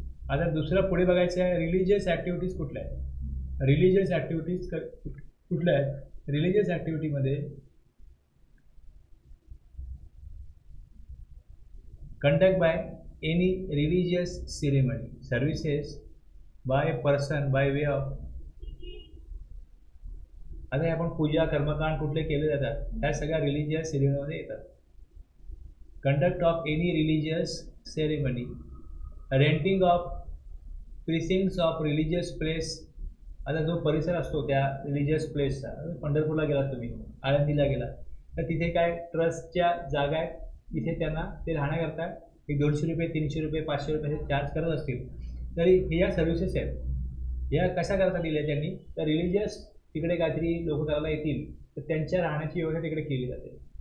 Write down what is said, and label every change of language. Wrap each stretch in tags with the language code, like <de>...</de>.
<mr>आता दुसरं पुढे बघायचं आहे रिलिजियस ॲक्टिव्हिटीज कुठल्या आहेत. रिलिजियस ॲक्टिव्हिटीज कुठल्या आहेत religious ॲक्टिव्हिटीमध्ये</mr> <en>Conduct by any religious ceremony services by a person by way of.</en> <mr>आता हे आपण पूजा कर्मकांड कुठले केले जातात ह्या सगळ्या रिलिजियस सेरेमनीमध्ये येतात.</mr> <en>Conduct of any religious ceremony renting of precincts of religious place.</en> <mr>आता जो परिसर असतो त्या रिलिजियस प्लेसचा पंढरपूरला गेला तुम्ही आळंदीला गेला तर तिथे काय ट्रस्टच्या जागा आहेत इथे त्यांना ते राहण्याकरता एक 200 रुपये 300 रुपये 500 रुपये असे चार्ज करत असतील तरी हे या सर्व्हिसेस आहेत. ह्या कशा करता दिल्या त्यांनी तर रिलिजियस तिकडे काहीतरी लोक करायला येतील तर त्यांच्या राहण्याची व्यवस्था तिकडे केली जाते.</mr>